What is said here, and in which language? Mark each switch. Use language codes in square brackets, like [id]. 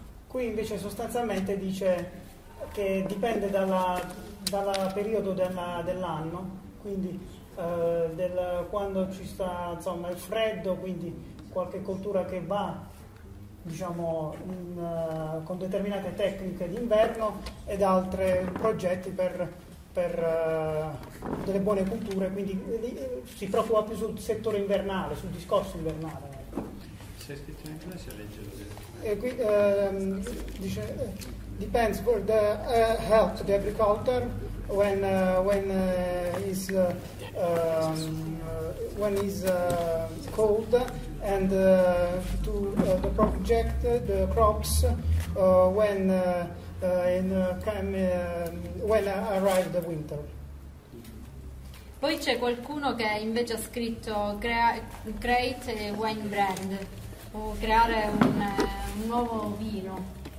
[it] Qui invece sostanzialmente dice che dipende dal periodo dell'anno, quindi quando ci sta insomma il freddo, quindi qualche coltura che va diciamo con determinate tecniche d'inverno ed altri progetti per delle buone culture, quindi si preoccupa più sul settore invernale, sul discorso invernale. C'è scritto in inglese a leggere. E qui dice [en] depends for the help the agriculture when is cold and to the project the crops when arrive the winter. [it] Poi c'è qualcuno che invece ha scritto [en] create a wine brand [it] o creare un nuovo vino.